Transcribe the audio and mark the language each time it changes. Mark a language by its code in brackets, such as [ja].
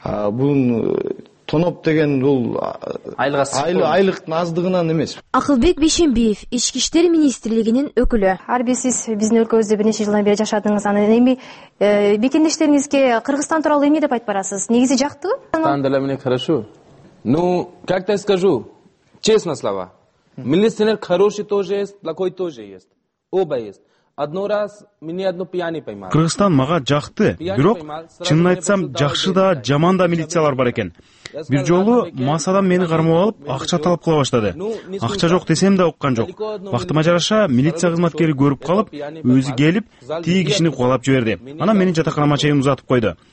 [ky] Бун тоноп деген бул айлыктын аздыгынан эмес. Акылбек Бейшенбиев, ички иштер министрлигинин өкүлү. Ар бир сиз биздин өлкөбүздө бир нече жылдан бери жашадыңыз, анан эми мекендештериңизге Кыргызстан тууралуу эмне деп айтып барасыз? Негизи жактыбы? Кыргызстан деле мени хорошо. [ru] Ну как так скажу, честно слова, милиционер хороший тоже есть, плохой тоже есть, оба есть. [ky] Кыргызстан мага жакты, бирок чынын айтсам жакшы да жаман да милициялар бар экен. Бир жолу мас адам мени кармоо алып акча талап кыла баштады. Акча жок десем да уккан жок. Бактыма жараша милиция кызматкери көрүп калып, өзү келип тиги кишини кубалап жиберди, анан мени жатаканама чейин узатып койду.